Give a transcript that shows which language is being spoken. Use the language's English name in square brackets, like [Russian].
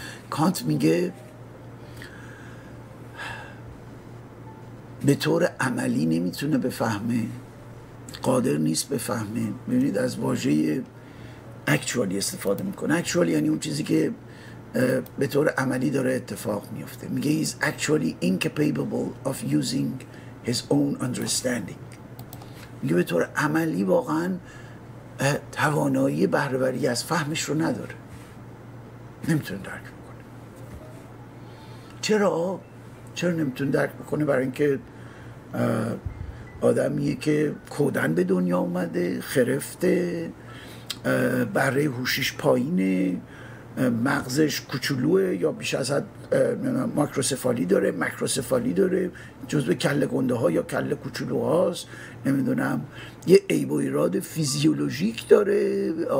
[Persian] کانت میگه به طور عملی نمیتونه بفهمه، قادر نیست بفهمه. ببینید از واژه actually استفاده میکنه. actually یعنی اون چیزی که به طور عملی داره اتفاق میفته. میگه [English] he's actually incapable of using his own understanding. [Persian] میگه به طور عملی واقعا توانایی بهره‌وری از فهمش رو نداره، نمیتونه درک بکنه. چرا نمیتونه درک بکنه؟ برای اینکه آدمیه که کودن به دنیا اومده، خرفته، بره هوشیش پایینه، مغزش کوچولوه یا بیش از حد ماکروسفالی داره، جزو کله گنده ها یا کله کوچولوهاست، نمیدونم یه عیب و ایراد فیزیولوژیک داره.